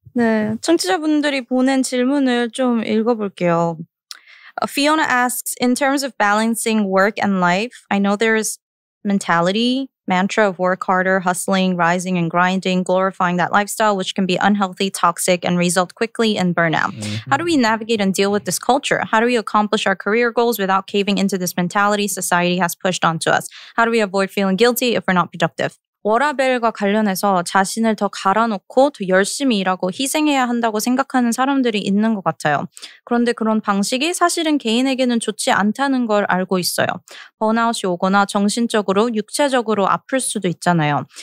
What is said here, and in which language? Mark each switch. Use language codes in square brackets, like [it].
[ko] 네, 청취자분들이 보낸 질문을 좀 읽어볼게요. [en] Fiona asks, in terms of balancing work and life, I know there's mentality, mantra of work harder, hustling, rising and grinding, glorifying that lifestyle, which can be unhealthy, toxic, and result quickly in burnout. How do we navigate and deal with this culture? How do we accomplish our career goals without caving into this mentality society has pushed onto us? How do we avoid feeling guilty if we're not productive? [ko] 워라벨과 관련해서 자신을 더 갈아놓고 더 열심히 일하고 희생해야 한다고 생각하는 사람들이 있는 것 같아요. 그런데 그런 방식이 사실은 개인에게는 좋지 않다는 걸 알고 있어요. 번아웃이 오거나 정신적으로, 육체적으로 아플 수도 있잖아요.